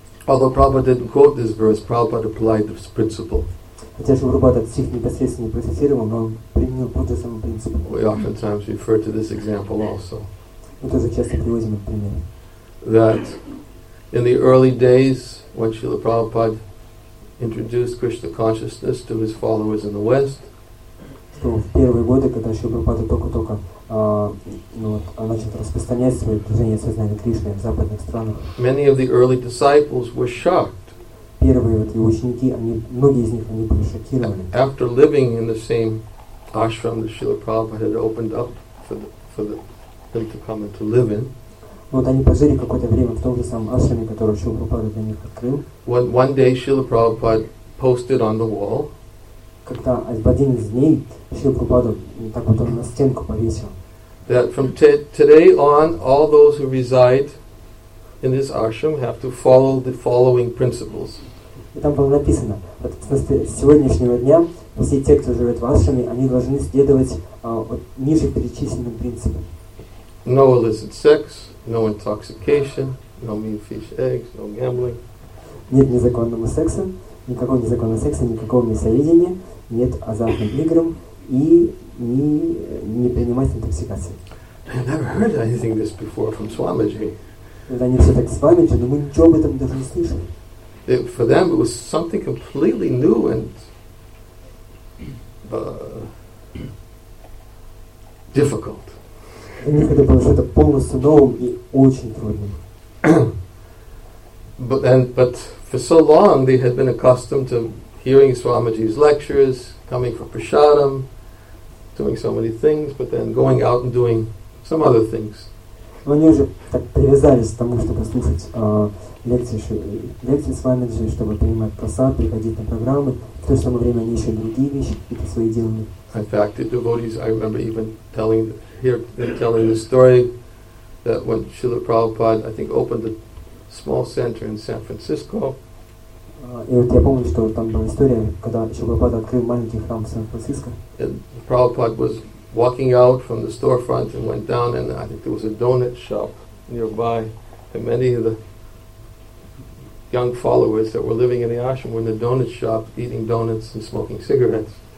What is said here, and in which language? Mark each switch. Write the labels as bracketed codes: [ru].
[en] Although Prabhupada didn't quote this verse, Prabhupada applied this principle. [ru] Хотя Шри Прабхупада этот стих непосредственно не процитировал, но он применил тот же самый принцип. [en] We oftentimes refer to this example also. [ru] Мы тоже часто приводим этот пример. [en] That in the early days, when Srila Prabhupada introduced Krishna consciousness to his followers in the West, [ru] что в первые годы, когда Шри Прабхупада только-только начал распространять свое движение сознания Кришны в западных странах. [en] Many of the early disciples were shocked. [ru] Первые вот его ученики, многие из них, они были шокированы. [en] After living in the same ashram that Srila Prabhupada had opened up for them to come and to live in. [ru] Вот они пожили какое-то время в том же самом ашраме, который Шрила Прабхупада для них открыл. [en] One day Srila Prabhupada posted on the wall. [ru] Когда в один из дней Шрила Прабхупада так вот он на стенку повесил. [en] That from today on, all those who reside in this ashram have to follow the following principles. [ru] И там было написано, с сегодняшнего дня все те, кто живет в ашраме, они должны следовать ниже перечисленным принципам. [en] No illicit sex, no intoxication, no meat, fish, eggs, no gambling. [ru] Нет незаконного секса, никакого незаконного секса, никакого мясоедения, нет азартным играм и не принимать интоксикации. [en] I never heard anything this before from Swamiji. [ru] Это не все так Swamiji, но мы ничего об этом даже не слышали. [en] It, for them it was something completely new and difficult. [ru] Для них это было что-то полностью новым и очень трудным. [en] But for so long they had been accustomed to hearing Swamiji's lectures, coming for prasadam, doing so many things, but then going out and doing some other things. [ru] Они уже так привязались к тому, чтобы слушать лекции Свамиджи, чтобы принимать просад, приходить на программы. В то же самое время они еще другие вещи, какие-то свои делали. [en] In fact, the devotees, I remember even telling the story that when Srila Prabhupada, I think, opened a small center in San Francisco. [ru] И вот я помню, что там была история, когда Шрила Прабхупада открыл маленький храм в Сан-Франциско. [en] Prabhupada was walking out from the storefront and went down, and I think there was a donut shop nearby, and many of the young followers that were living in the ashram were in the donut shop eating donuts and smoking cigarettes.